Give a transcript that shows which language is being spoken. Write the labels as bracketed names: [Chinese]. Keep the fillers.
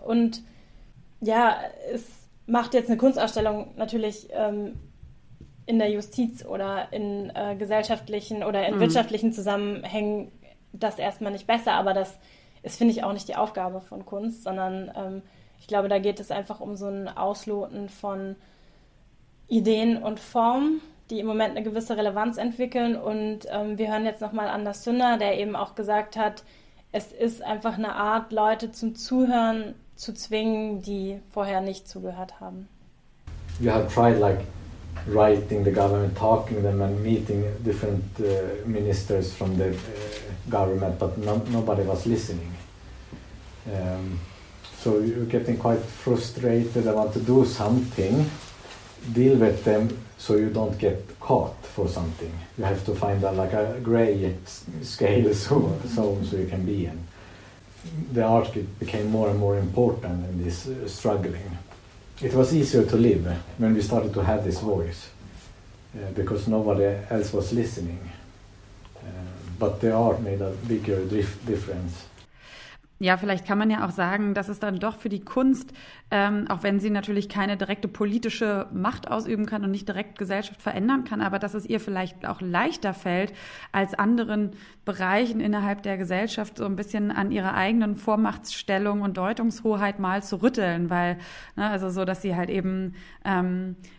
[German] Und ja, es macht jetzt eine Kunstausstellung natürlich ähm, in der Justiz oder in äh, gesellschaftlichen oder in wirtschaftlichen Zusammenhängen das erstmal nicht besser, aber das ist, finde ich, auch nicht die Aufgabe von Kunst, sondern ähm, ich glaube, da geht es einfach um so ein Ausloten von Ideen und Formen, die im Moment eine gewisse Relevanz entwickeln. Und ähm, wir hören jetzt nochmal an das Sünder, der eben auch gesagt hat, es ist einfach eine Art, Leute zum Zuhören zu zwingen, die vorher inte zugehört haben. [English] You have tried like writing the government, talking to them and meeting different uh, ministers from the uh, government, but no, nobody was listening. Um, so you're getting quite frustrated. I want to do something, deal with them, so you don't get caught for something. You have to find a, like a gray scale zone so, so, so, you can be in. the art became more and more important in this uh, struggling. It was easier to live when we started to have this voice uh, because nobody else was listening. Uh, but the art made a bigger difference. [German] Ja, vielleicht kann man ja auch sagen, dass es dann doch für die Kunst, ähm, auch wenn sie natürlich keine direkte politische Macht ausüben kann und nicht direkt Gesellschaft verändern kann, aber dass es ihr vielleicht auch leichter fällt, als anderen Bereichen innerhalb der Gesellschaft so ein bisschen an ihrer eigenen Vormachtstellung und Deutungshoheit mal zu rütteln, weil, ne, also so, dass sie halt eben ähm,